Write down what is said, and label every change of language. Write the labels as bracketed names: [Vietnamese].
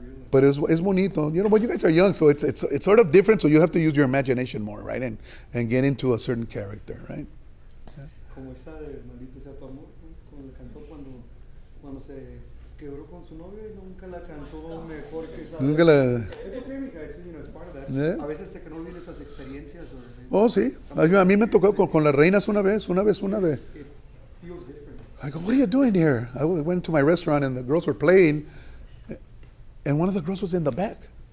[English] But it's bonito, you know. But you guys are young, so it's sort of different. So you have to use your imagination more, right? And get into a certain character, right? Yeah. [Spanish] Como esa de maldito sea tu amor, como le cantó cuando se quebró con su novio, nunca la cantó mejor que esa. Nunca la. [English] It's okay, Mika. It's, you know, it's part of that. Yeah. [Spanish] A veces te que no olvides esas experiencias. Oh sí, a mí me tocó con las reinas una vez. [English] It feels different. I go, what are you doing here? I went to my restaurant and the girls were playing. And one of the girls was in the back.